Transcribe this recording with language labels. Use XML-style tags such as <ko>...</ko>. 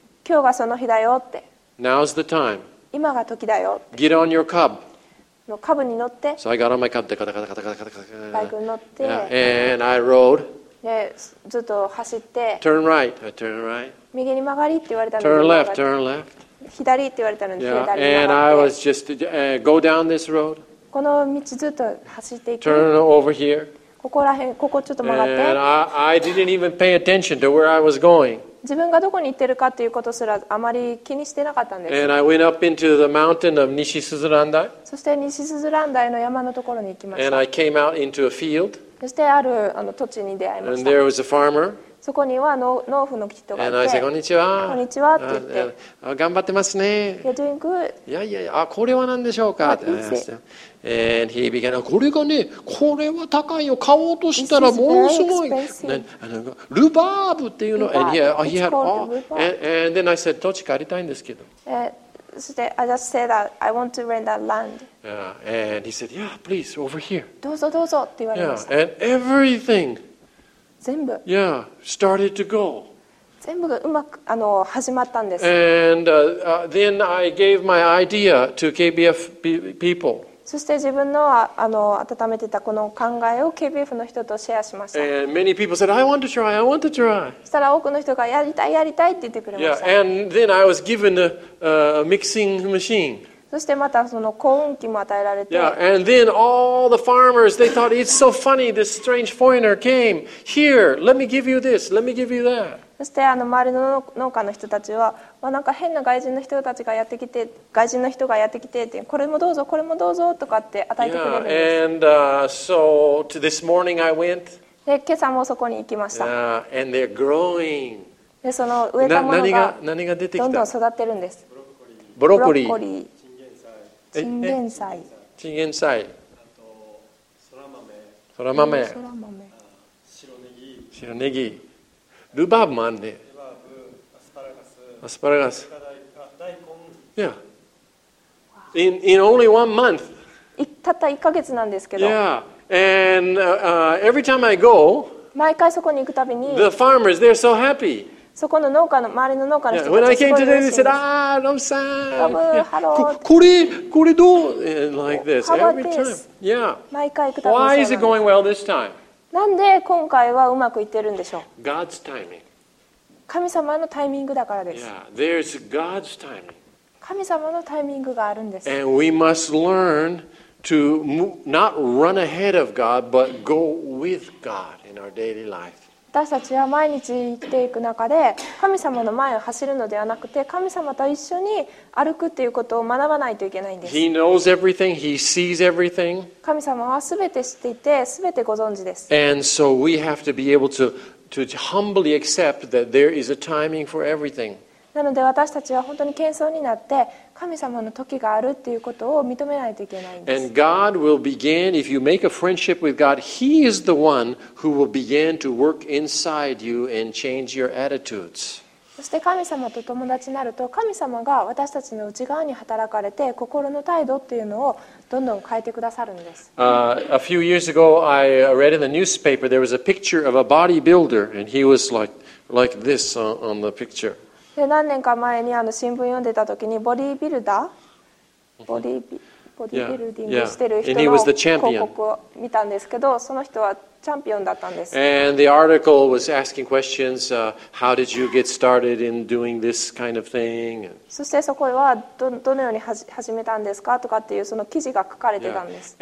<ja>今日がその日だよって。</ja> <en>Now's the time.</en> <ja>今が時だよって。</ja> <en>Get on your cub.</en> <ja>のカブに乗って。</ja> <en>So I got on my cub. カタカタカタカタカタカタ。</en> <ja>バイクに乗って。</ja> <en>And I rode.</en> <ja>でずっと走って。</ja> <en>Turn right. I turn right.</en> <ja>右に曲がりって言われたので</ja> <en>。 Turn left. Turn left.</en> <ja>左って言われたのに、</ja> <en>yeah.</en> <ja>左に。</ja> <en>And I was just go down this road.</en> <ja>この道ずっと走っていく。</ja> <en>Turn over here.</en> <ja>ここら辺、ここちょっと曲がって。</ja> <en>And I didn't even pay attention to where I was going.</en> <ja>自分がどこに行ってるかということすらあまり気にしてなかったんです。</ja> <en>And I went up into the mountain of Nishisuzurandai.</en> <ja>そして西スズランダイの山のところに行きました。</ja> <en>And I came out into a field.</en> <ja>そしてあるあの土地に出会いました。</ja> <en>And there was a farmer.</en> <ja>そこには農夫の人がいて、</ja> <en>And I said,</en> <ja>こんにちはって言って、頑張ってますね。</ja> <en>You're doing good.</en> <ja>いやいやいや、これは何でしょうか。</ja> <en>What is it? And he began,</en> <ja>これがね、これは高いよ。買おうとしたらものすごい。ルバーブっていうの。</ja> <en>And he had, and then I said,</en> <ja>土地借りたいんですけど。</ja> <en>そして I just said that I want to rent that land. Yeah. And he said, yeah, please, over here.</en> <ja>どうぞどうぞって言われました。</ja> <en>Yeah. And everything.</en> <ja>全部</ja> <en>yeah, started to go.</en> <ja>全部がうまくあの始まったんです。</ja> <en>And then I gave my idea to KBF people.</en> <ja>そして自分のあの温めてたこの考えを KBF の人とシェアしました。</ja> <en>And many people said, I want to try, I want to try.</en> <ja>そしたら多くの人がやりたいやりたいって言ってくれました。</ja> <en>Yeah, and then I was given a mixing machine.</en> <ja>そしてまたその耕運機も与えられて。</ja> <en>Yeah, and then all the farmers, they thought it's so funny this strange foreigner came here. Let me give you this. Let me give you that.</en> <ja>そしてあの周りの農家の人たちは、まあ、なんか変な外人の人たちがやってきて、外人の人がやってきてって、これもどうぞ、これもどうぞとかって与えてくれるんです。</ja> <en>Yeah, and so to this morning I went.</en> <ja>で今朝もそこに行きました。</ja> <en>Yeah, and they're growing.</en> <ja>でその植えたものがどんどん育ってるんです。ブロッコリー。チンゲンサイ、そら豆、白ネギ、白ネギ、ルバーブもあるね。ルバーブ、アスパラガス、アスパラガス、大根。</ja> <en>Yeah. In only one month.</en> <ja>たった1ヶ月なんですけど。</ja> <en>Yeah. And every time I go,</en> <ja>毎回そこに行くたびに、 the farmers they're so happy. そこの農家の周りの農家の人たちすごい嬉しいんです。</ja> <en>Yeah, when I came today, they said, "Ah, Rob さん、</en> <ja>ロブ、ハロー。これどう?"</ja> <en>Like this every time. Yeah.</en> <ja>毎回行くたびに。</ja> <en>Why is it going well this time?</en> <ja>なんで今回はうまくいってるんでしょう?</ja> <en>God's timing.</en> <ja>神様のタイミングだからです。</ja> <en>Yeah, there's God's timing.</en> <ja>神様のタイミングがあるんです。</ja> <en>And we must learn to not run ahead of God, but go with God in our daily life.</en> <ja>私たちは毎日生きていく中で神様の前を走るのではなくて神様と一緒に歩くということを学ばないといけないんです。</ja> <en>He knows everything. He sees everything.</en> <ja>神様は全て知っていて全てご存知です。</ja> <en>And so we have to be able to humbly accept that there is a timing for everything.</en> <ja>なので私たちは本当に謙遜になって神様の時があるということを認めないといけないんです。</ja> <en>And God will begin, if you make a friendship with God, He is the one who will begin to work inside you and change your attitudes.</en> <ja>そして神様と友達になると、神様が私たちの内側に働かれて、心の態度っていうのをどんどん変えてくださるんです。</ja> <en>A few years ago, I read in the newspaper, there was a picture of a bodybuilder, and he was like this on the picture.</en> <ja>で何年か前にあの新聞読んでた時にボディービルダーボディービルディングしてる人の広告を見たんですけどその人はチャンピオンだったんです。</ja> <en>And the article was asking questions, how did you get started in doing this kind of thing?</en> <ja>そしてそこはどのように始めたんですかとかっていうその記事が書かれてたんです。</ja>